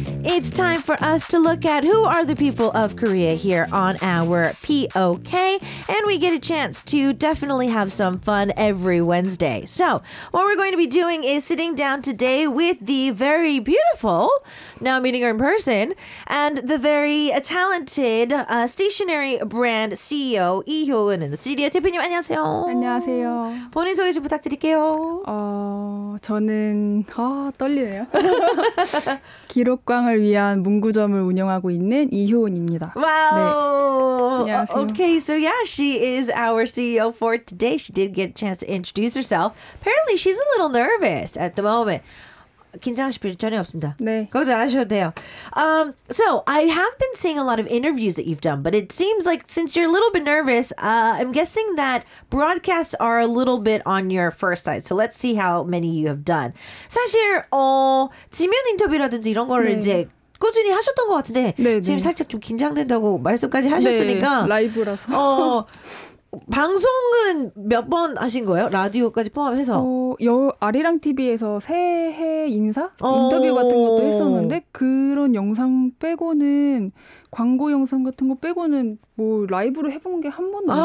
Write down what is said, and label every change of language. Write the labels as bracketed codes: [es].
[en] It's time for us to look at who are the people of Korea here on our POK, and we get a chance to definitely have some fun every Wednesday. So, what we're going to be doing is sitting down today with the very beautiful, now meeting her in person, and the very talented stationery brand CEO, Lee Hyo-eun in the studio. [ko] 대표님, 안녕하세요. 안녕하세요. 본인 소개 좀 부탁드릴게요. 저는 떨리네요. 기록광을 위한 문구점을 운영하고 있는 이효은입니다. 와우. 네. 안녕하세요. [en] Okay, so yeah, she is our CEO for today. She did get a chance to introduce herself. Apparently, she's a little nervous at the moment. [ko] 긴장하실 필요 전혀 없습니다. 네. 걱정 안 하셔도 돼요. [en] So, I have been seeing a lot of interviews that you've done, but it seems like since you're a little bit nervous, I'm guessing that broadcasts are a little bit on your first side. So, let's see how many you have done. [ko] 사실, 지면 인터뷰라든지 이런 거를 네. 이제 꾸준히 하셨던 것 같은데 네네. 지금 살짝 좀 긴장된다고 말씀까지 하셨으니까 네, 라이브라서 방송은 몇 번 하신 거예요? 라디오까지 포함해서 아리랑 TV에서 새해 인사? 인터뷰 같은 것도 했었는데 그런 영상 빼고는 광고 영상 같은 거 빼고는 뭐 라이브로 해본 게 한 번도 없어요.